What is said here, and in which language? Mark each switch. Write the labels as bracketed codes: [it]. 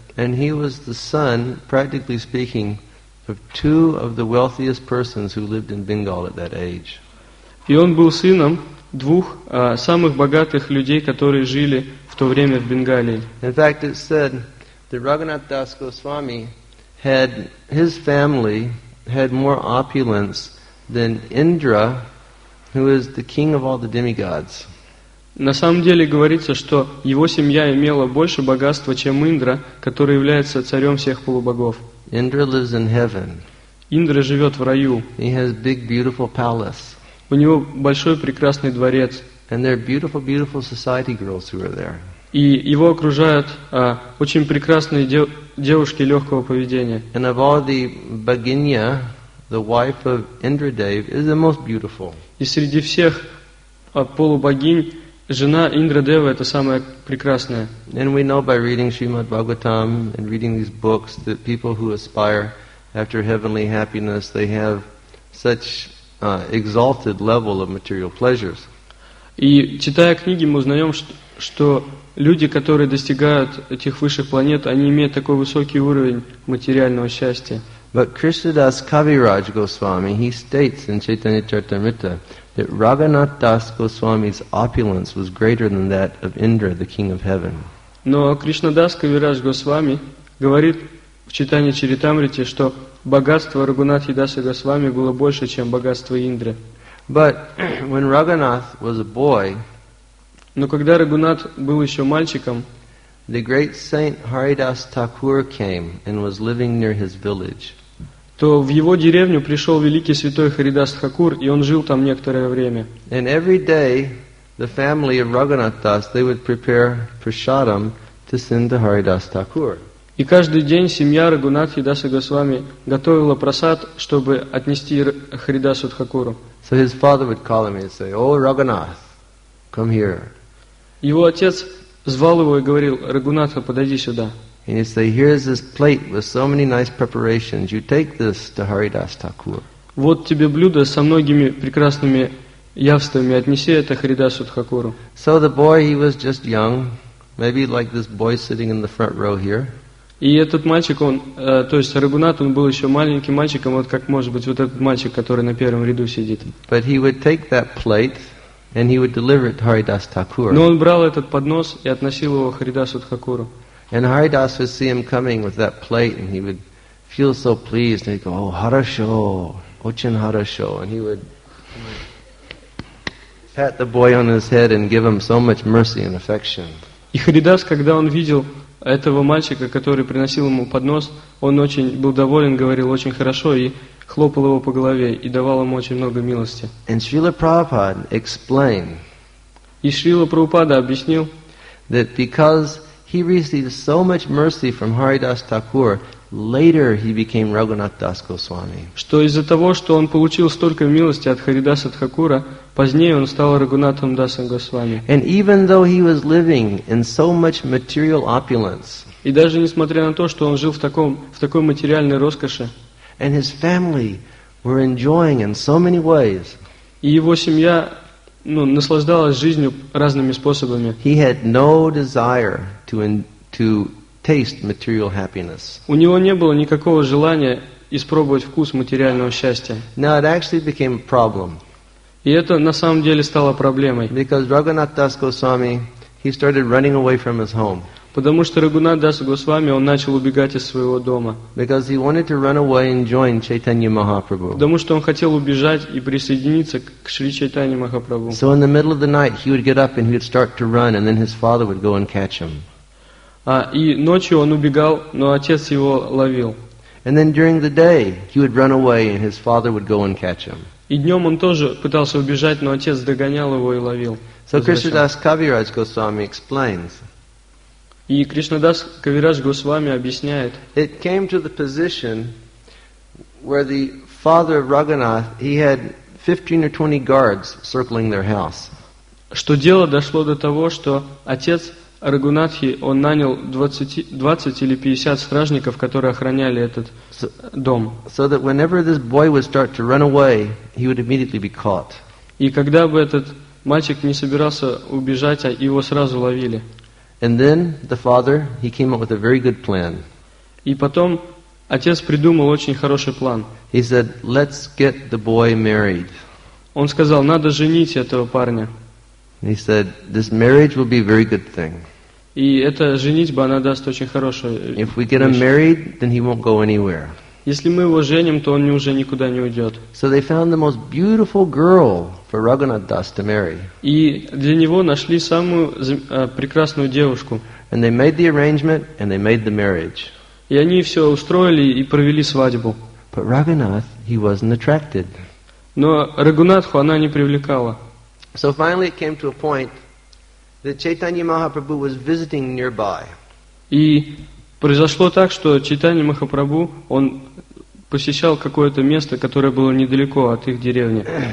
[en] And he was the son, practically speaking, of two of the wealthiest persons who lived in Bengal at that age. [ru] И он был сыном двух самых богатых людей, которые жили в то время в Бенгалии. [en] In fact, it said that Raghunath Das Goswami had his family had more opulence than Indra, who is the king of all the demigods. [ru] На самом деле говорится, что его семья имела больше богатства, чем Индра, который является царем всех полубогов. [en] Indra lives in heaven. [ru] Индра живет в раю. [en] He has big, beautiful palace. [ru] У него большой прекрасный дворец. [en] And there are beautiful, beautiful society girls who are there. [ru] И его окружают очень прекрасные девушки легкого поведения. [en] And of all the Baginya, the wife of Indradev, is the most beautiful. [ru] И среди всех полубогинь жена Индрадева это самая прекрасная. [en] And we know by reading Srimad Bhagavatam and reading these books that people who aspire after heavenly happiness, they have such exalted level of material pleasures. [ru] И читая книги, мы узнаем, что люди, которые достигают этих высших планет, они имеют такой высокий уровень материального счастья. [en] But Krishnadas Kaviraj Goswami, he states in Chaitanya Charitamrita that Raghunath Das Goswami's opulence was greater than that of Indra, the king of heaven. [ru] Но Кришнадас Кавираж Госвами говорит в Чайтанья Чаритамрите, что богатство Рагунатхи Даса Госвами было больше, чем богатство Индры. [en] But when Raghunath was a boy, [ru] но когда Рагунат был еще мальчиком, [en] the great saint Haridas Thakur came and was living near his village. [ru] То в его деревню пришел великий святой Харидас Хакур, и он жил там некоторое время. [en] And every day the family of Raghunath Das, they would prepare prasadam to send to Haridas Thakur. [ru] И каждый день семья Рагунатхи Даса Госвами готовила прасад, чтобы отнести Харидасу Хакуру. [en] So his father would call him and say, "Oh, Raghunath, come here." [ru] Его отец звал его и говорил: "Рагунатха, подойди сюда." [en] And he'd say, "Here's this plate with so many nice preparations. You take this to Haridas Thakur." [ru] Вот тебе блюдо со многими прекрасными явствами. Отнеси это Харидасу Хакуру. [en] So the boy, he was just young, maybe like this boy sitting in the front row here. [ru] И этот мальчик, он, то есть Рагунат, он был еще маленьким мальчиком, вот как может быть вот этот мальчик, который на первом ряду сидит. [en] But he would take that plate and he would deliver it to Haridas Thakur. [ru] Но он брал этот поднос и относил его Харидасу Хакуру. [en] And Haridas would see him coming with that plate and he would feel so pleased and he'd go, "Oh, [ru] хорошо, очень хорошо." [en] And he would pat the boy on his head and give him so much mercy and affection. [ru] И Харидас, когда он видел этого мальчика, который приносил ему поднос, он очень был доволен, говорил очень хорошо и хлопал его по голове и давал ему очень много милости. [en] And Srila Prabhupada explained, [ru] и Шрила Прабхупада объяснил, [en] that because he received so much mercy from Haridas Thakur, later he became Raghunath Das Goswami. [ru] Что из-за того, что он получил столько милости от Харидаса Тхакура, позднее он стал Рагунатом Дасом Госвами. [en] And even though he was living in so much material opulence, [ru] и даже несмотря на то, что он жил в такой материальной роскоши, [en] and his family were enjoying in so many ways, [ru] и его семья ну, наслаждалась жизнью разными способами. [en] He had no desire to taste material happiness. [ru] У него не было никакого желания испробовать вкус материального счастья. [en] Now it actually became a problem. [ru] И это на самом деле стало проблемой. [en] Because Raghunath Das Goswami, he started running away from his home. [ru] Потому что Рагунат Дас Госвами, он начал убегать из своего дома. [en] Because he wanted to run away and join Chaitanya Mahaprabhu. [ru] Потому что он хотел убежать и присоединиться к Шри Чайтанье Махапрабху. [en] So in the middle of the night he would get up and he would start to run and then his father would go and catch him. [ru] И ночью он убегал, но отец его ловил. [en] And then during the day he would run away and his father would go and catch him. [ru] И днем он тоже пытался убежать, но отец догонял его и ловил. [en] So Krishna Das Kaviraj Goswami explains. [ru] И Кришнадас Кавирадж Госвами объясняет. [en] It came to the position where the father of Raghunath, he had 15 or 20 guards circling their house. [ru] Что дело дошло до того, что отец Рагунатхи, он нанял 20 или 50 стражников, которые охраняли этот дом. [en] So that whenever this boy would start to run away, he would immediately be caught. [ru] И когда бы этот мальчик не собирался убежать, а его сразу ловили. [en] And then the father, he came up with a very good plan. [ru] И потом отец придумал очень хороший план. [en] He said, "Let's get the boy married." [ru] Он сказал, надо женить этого парня. [en] He said, "This marriage will be a very good thing." [ru] И эта женитьба, она даст очень хорошую вещь. [en] If we get him married, then he won't go anywhere. [ru] Если мы его женим, то он уже никуда не уйдет. [en] So they found the most beautiful girl for Raghunath Das to marry. [ru] И для него нашли самую прекрасную девушку. [en] And they made the arrangement and they made the marriage. [ru] И они все устроили и провели свадьбу. [en] But Raghunath, he wasn't attracted. [ru] Но Рагунатху она не привлекала. [en] So finally it came to a point that Chaitanya Mahaprabhu was visiting nearby. [ru] И произошло так, что Чайтанья Махапрабху, он посещал какое-то место, которое было недалеко от их деревни.